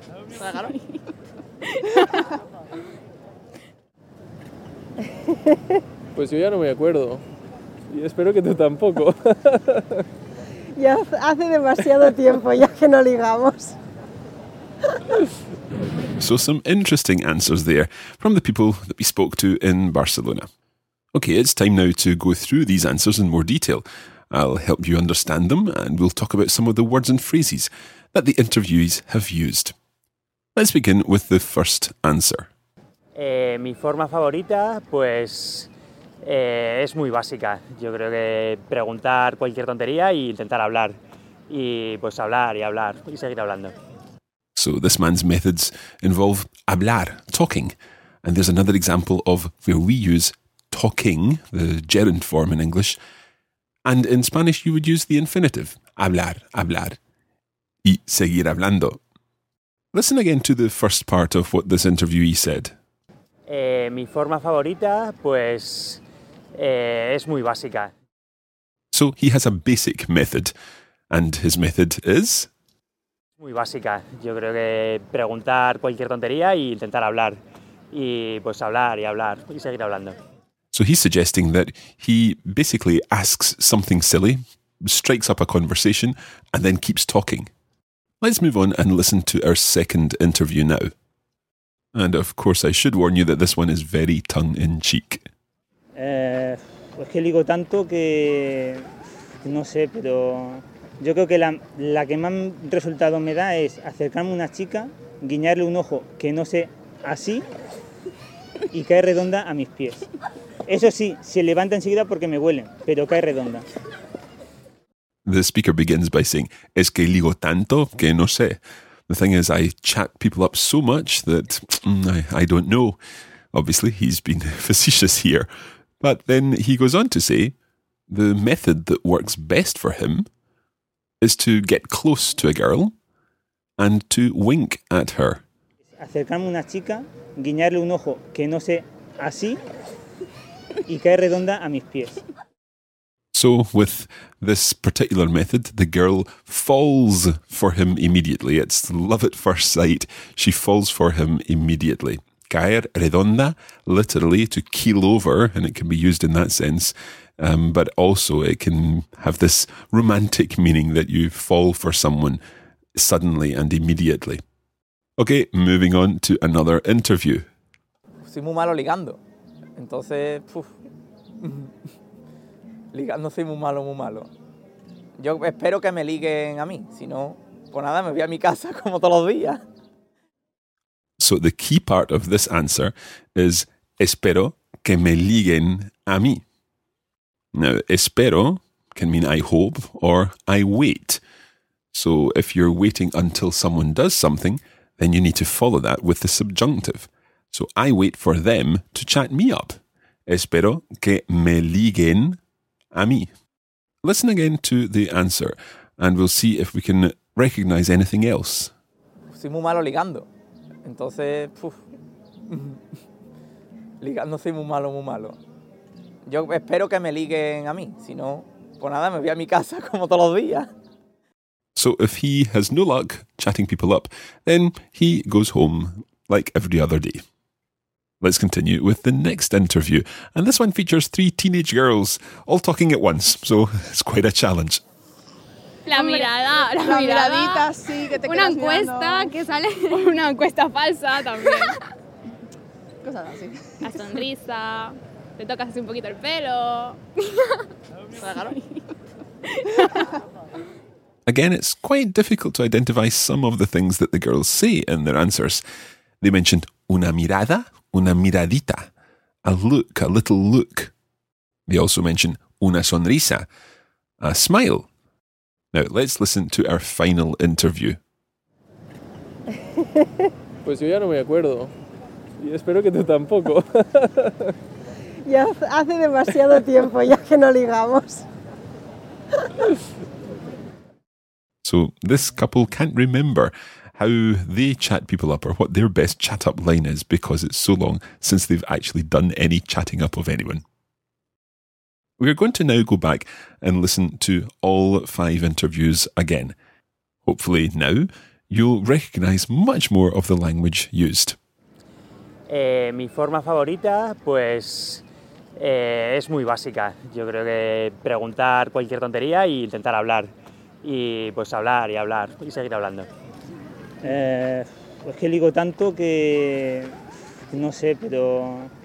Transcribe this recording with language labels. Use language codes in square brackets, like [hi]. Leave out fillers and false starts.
[es] ¿Se agarra? Pues yo ya no me acuerdo. Y espero que tú tampoco. Ya hace demasiado tiempo ya que no ligamos. [en] So some interesting answers there from the people that we spoke to in Barcelona. Okay, it's time now to go through these answers in more detail. I'll help you understand them and we'll talk about some of the words and phrases that the interviewees have used. Let's begin with the first answer. [es] Mi forma favorita, pues, es muy básica. Yo creo que preguntar cualquier tontería y intentar hablar. Y pues hablar y hablar y seguir hablando. [en] So this man's methods involve hablar, talking. And there's another example of where we use talking, the gerund form in English. And in Spanish, you would use the infinitive, [es] hablar, hablar, y seguir hablando. [en] Listen again to the first part of what this interviewee said. [es] Mi forma favorita, pues, es muy básica. [en] So he has a basic method, and his method is? [es] Muy básica. Yo creo que preguntar cualquier tontería y intentar hablar. Y pues hablar y hablar y seguir hablando. [en] So he's suggesting that he basically asks something silly, strikes up a conversation, and then keeps talking. Let's move on and listen to our second interview now. And of course, I should warn you that this one is very tongue-in-cheek. [es] Pues que digo tanto que no sé, pero yo creo que la que más resultado me da es acercarme a una chica, guiñarle un ojo que no sé así y cae redonda a mis pies. Eso sí, se levanta enseguida porque me huele, pero cae redonda. [en] The speaker begins by saying, [es] es que ligo tanto que no sé. [en] The thing is, I chat people up so much that I don't know. Obviously, he's been facetious here. But then he goes on to say, the method that works best for him is to get close to a girl and to wink at her. [es] Acercarme a una chica, guiñarle un ojo que no sé así y cae redonda a mis pies. [en] So with this particular method, the girl falls for him immediately. It's love at first sight. She falls for him immediately. [es] Caer redonda, [en] literally to keel over, and it can be used in that sense. But also it can have this romantic meaning that you fall for someone suddenly and immediately. Okay, moving on to another interview. [es] Soy muy malo ligando. Entonces, puf. Ligando soy muy malo, muy malo. Yo espero que me liguen a mí. Si no, pues nada, me voy a mi casa como todos los días. [en] So the key part of this answer is [es] espero que me liguen a mí. [en] Now, espero can mean I hope or I wait. So if you're waiting until someone does something, then you need to follow that with the subjunctive. So I wait for them to chat me up. [es] Espero que me liguen a mí. [en] Listen again to the answer and we'll see if we can recognize anything else. [es] Soy muy malo ligando. Entonces, puf. Ligando soy muy malo, muy malo. Yo espero que me liguen a mí. Si no, pues nada, me voy a mi casa como todos los días. [en] So if he has no luck chatting people up, then he goes home like every other day. Let's continue with the next interview. And this one features three teenage girls all talking at once. So it's quite a challenge. [es] La miradita, sí, que te una encuesta mirando. Que sale una encuesta falsa también. Cosas así. La sonrisa, te tocas así un poquito el pelo. [en] Again, it's quite difficult to identify some of the things that the girls say in their answers. They mentioned [es] una mirada, una miradita, [en] a look, a little look. They also mention [es] una sonrisa, [en] a smile. Now, let's listen to our final interview. [es] Pues yo ya no me acuerdo. Y espero que tú tampoco. Ya hace demasiado tiempo ya que no ligamos. [en] So this couple can't remember how they chat people up or what their best chat-up line is because it's so long since they've actually done any chatting up of anyone. We are going to now go back and listen to all five interviews again. Hopefully now you'll recognise much more of the language used. [es] Mi forma favorita, pues, es muy básica. Yo creo que preguntar cualquier tontería y intentar hablar. Y pues hablar y hablar y seguir hablando. Pues que ligo tanto que no sé, pero